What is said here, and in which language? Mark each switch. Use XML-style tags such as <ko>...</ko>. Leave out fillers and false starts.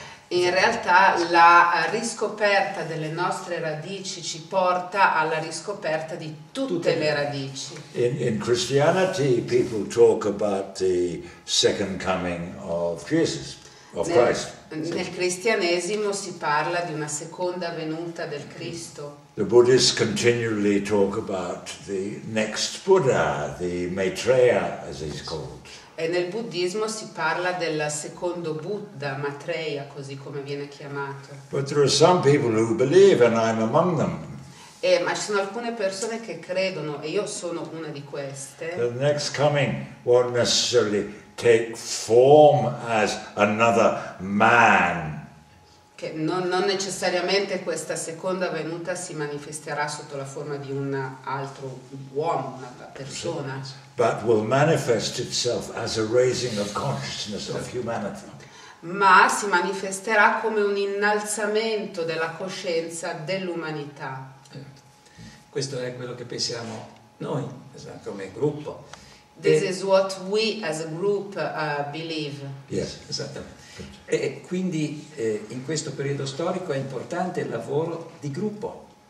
<it>In realtà la riscoperta delle nostre radici ci porta alla riscoperta di tutte le radici.</it> <en>In Christianity people talk about the second coming of Jesus, of Christ.</en> <it>Nel cristianesimo si parla di una seconda venuta del Cristo.</it> <en>The Buddhists continually talk about the next Buddha, the Maitreya as he's called.</en> <it>E nel buddismo si parla del secondo Buddha, Maitreya, così come viene chiamato.</it> <en>But there are some people who believe, and I'm among them.</en> <it>Ma ci sono alcune persone che credono, e io sono una di queste.</it> <en>The next coming won't necessarily take form as another man.</en> <it>Che non necessariamente questa seconda venuta si manifesterà sotto la forma di un altro uomo, una persona.</it> <en>But will manifest itself as a raising of consciousness of humanity.</en> <it>ma si manifesterà come un innalzamento della coscienza dell'umanità. Questo è quello che pensiamo noi, come gruppo.</it> <en>This is what we as a group believe. Yes,</en> <it>esattamente. E quindi in questo periodo storico è importante il lavoro di gruppo.</it>